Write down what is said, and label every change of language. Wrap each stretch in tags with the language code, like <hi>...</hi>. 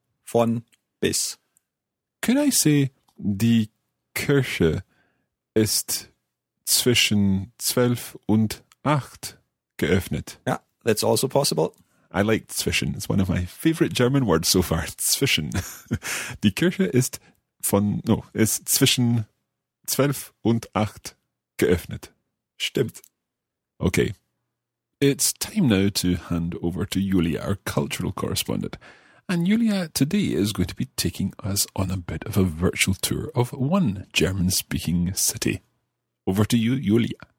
<de>Von, bis.</de> <en>Could I say,</en> <de>die Kirche ist zwischen 12 und 8 geöffnet?</de> <en>Yeah, that's also possible. I like zwischen. It's one of my favorite German words so far.</en> <de>Zwischen. Die Kirche ist von, no, ist zwischen 12 und 8 geöffnet. Stimmt.</de> <en>Okay. It's time now to hand over to Julia, our cultural correspondent. And Julia today is going to be taking us on a bit of a virtual tour of one German-speaking city. Over to you, Julia.</en>